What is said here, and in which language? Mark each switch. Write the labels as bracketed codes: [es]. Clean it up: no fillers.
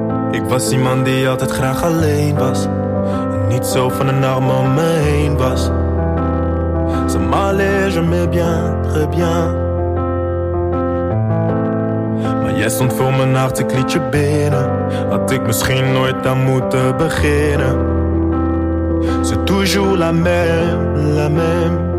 [nl] Ik was iemand die altijd graag alleen was. En niet zo van een arm om me heen was. [fr] Ça m'allait, je m'aimais bien, très bien. [nl] Maar jij stond voor mijn hart, ik liet je binnen. Had ik misschien nooit aan moeten beginnen. [fr] C'est toujours la même, la même.